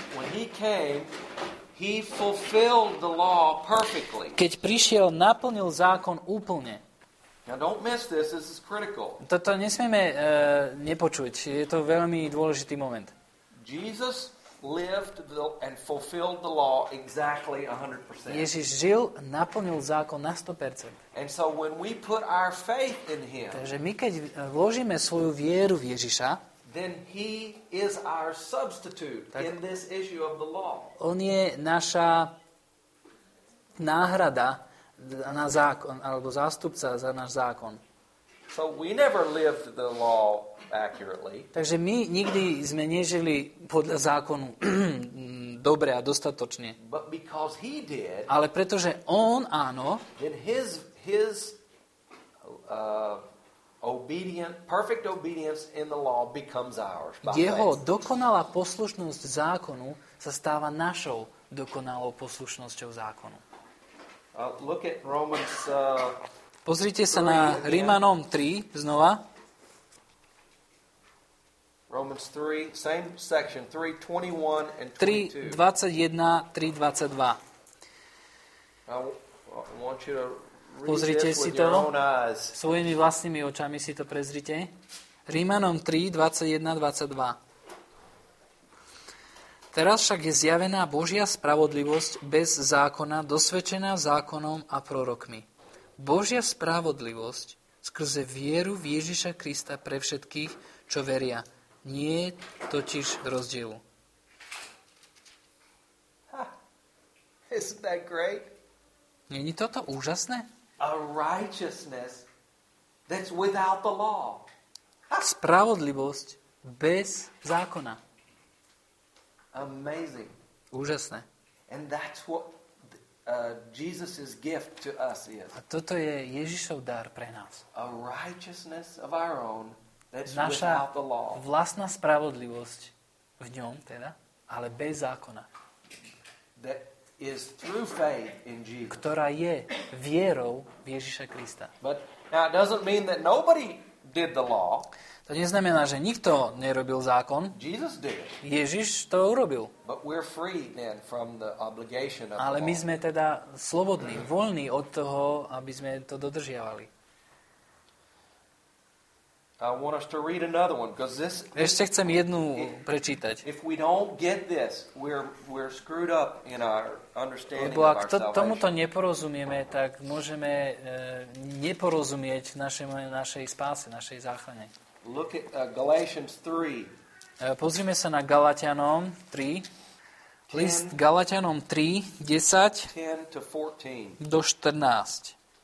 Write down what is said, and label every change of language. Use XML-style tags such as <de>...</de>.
<en>when he came, he fulfilled the law perfectly.</en> <sk>Keď prišiel, naplnil zákon úplne.</sk> <en>Now don't miss this is critical.</en> <sk>Toto nesmieme nepočuť. Je to veľmi dôležitý moment.</sk> <en>Jesus lived and fulfilled the law exactly 100%.</en> <sk>Ježiš žil, naplnil zákon na 100%.</sk> <en>And so when we put our faith in him.</en> <sk>Takže my keď vložíme svoju vieru v Ježiša,</sk> <en>then he is our substitute in this issue of the law.</en> <sk>On je naša náhrada na zákon alebo zástupca za náš zákon.</sk> <en>So we never lived the law accurately.</en> <sk>Takže my nikdy sme nežili podľa zákonu dobre a dostatočne.</sk> <en>But because he did.</en> <sk>Ale pretože on, áno,</sk> <en>in his obedient, perfect obedience in the law becomes ours.</en> <sk>Jeho dokonalá poslušnosť zákonu sa stáva našou dokonalou poslušnosťou zákonu.</sk> <en>Look at Romans.</en> <sk>Pozrite sa na Rímanom 3 znova.</sk> <en>Romans 3, same section, 3:21 and 22.</en> <sk>3:21-3:22. Pozrite si to svojimi vlastnými očami, si to prezrite. Rímanom 3:21-22. Teraz však je zjavená Božia spravodlivosť bez zákona, dosvedčená zákonom a prorokmi. Božia spravodlivosť skrze vieru v Ježiša Krista pre všetkých, čo veria. Nie je totiž rozdielu.</sk> <en>Ha, isn't that great?</en> <sk>Není toto úžasné?</sk> <en>A righteousness that's without the law.</en> <sk>Spravodlivosť bez zákona.</sk> <en>Amazing.</en> <sk>Úžasné.</sk> <en>And that's what Jesus's gift to us is.</en> <sk>A toto je Ježišov dar pre nás.</sk> <en>A righteousness of our own that's without the law.</en> <sk>Naša vlastná spravodlivosť v ňom teda, ale bez zákona.</sk> <en>That is through faith in Jesus.</en> <sk>Ktorá je vierou v Ježiša Krista.</sk> <en>But now it doesn't mean that nobody did the law.</en> <sk>To neznamená, že nikto nerobil zákon.</sk> <en>Jesus did.</en> <sk>Ježiš to urobil.</sk> <en>But we're free then from the obligation of.</en> <sk>Ale my sme teda slobodní, voľní od toho, aby sme to dodržiavali.</sk> <en>I want us to read another one because this.</en> <sk>Ešte chcem jednu prečítať.</sk> <en>If we don't get this, we're screwed up in our understanding.</en> <sk>Lebo ak tomuto neporozumieme, tak môžeme neporozumieť našej spáse, našej záchrane.</sk> <en>Look at Galatians 3.</en> <sk>Pozrime sa na Galatianom 3. List Galatianom 3, 10 do 14.</sk>